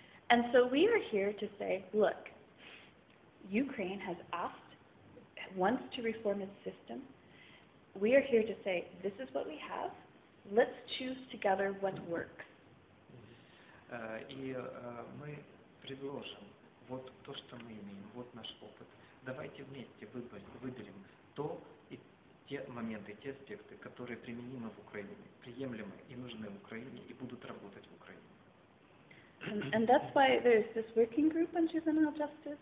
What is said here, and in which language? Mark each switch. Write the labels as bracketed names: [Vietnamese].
[English] And so we are here to say, look, Ukraine has asked, wants to reform its system. We are here to say, this is what we have. Let's choose together what works. [Russian] И мы предложим вот то, что мы имеем, вот наш опыт. Давайте вместе выберем то и те моменты, те аспекты, которые применимы в Украине, приемлемы и нужны в Украине и будут работать в Украине. [English] And that's why there's this working group on juvenile justice.